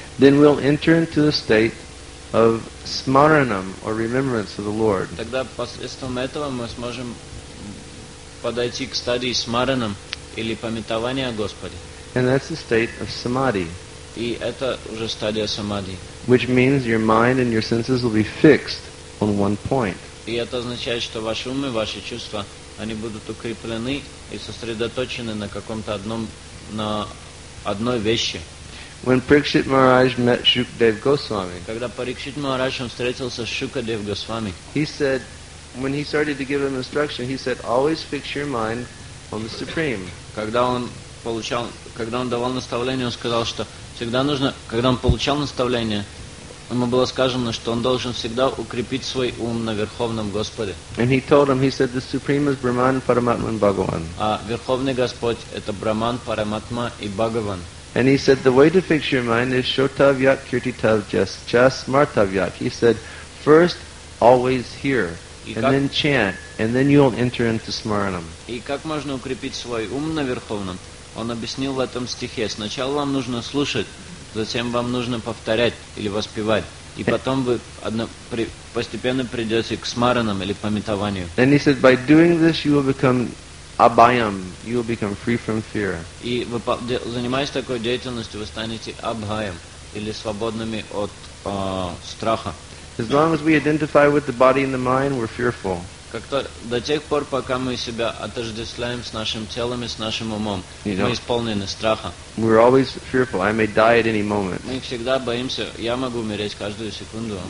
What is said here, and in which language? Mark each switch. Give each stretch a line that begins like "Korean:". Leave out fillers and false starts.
English: Then we'll enter into the state of smaranam or remembrance of the Lord.
Russian: Тогда посредством этого мы сможем подойти к стадии смаранам или памятования о Господе.
English: And that's the state of samadhi.
Russian: И это уже стадия самадхи.
English: Which means your mind and your senses will be fixed on one point.
Russian: И это означает, что ваши умы, ваши чувства, они будут укреплены и сосредоточены на каком-то одном на одной вещи.
English: When Parikshit Maharaj met Shukadev Goswami,
Russian: когда Парикшит Махарадж встретился с Шукадев Госвами,
English: he said, when he started to give him instruction, he said, always fix your mind on the Supreme.
Russian: Когда он давал наставление, он сказал, что всегда нужно, когда он получал наставление, ему было сказано, что он должен всегда укрепить свой ум на Верховном Господе.
English: And he told him, he said, the Supreme is Brahman, Paramatman, Bhagavan.
Russian: А Верховный Господь это Брахман, Параматма и Бхагаван.
English: And he said, the way to fix your mind is
Sanskrit: Shotavyak Kirtitavjas Chasmartavyak.
English: He said, first, always hear, and then chant, and then you'll enter into Smaranam.
Russian: И как можно укрепить свой ум на Верховном? Он объяснил в этом стихе. Сначала вам нужно слушать, затем вам нужно повторять или воспевать. И потом вы постепенно придете к смаранам или памятованию.
English: And he said, by doing this you will become abhayam, you will become free from fear.
Russian: И вы, занимаясь такой деятельностью, вы станете абхаям, или свободными от страха.
English: As long as we identify with the body and the mind, we're fearful.
Russian: До тех пор, пока мы себя отождествляем с нашим телом и с нашим умом, мы исполнены страха.
English: We're always fearful. I may die at any moment.
Russian: Мы всегда боимся. Я могу умереть каждую секунду.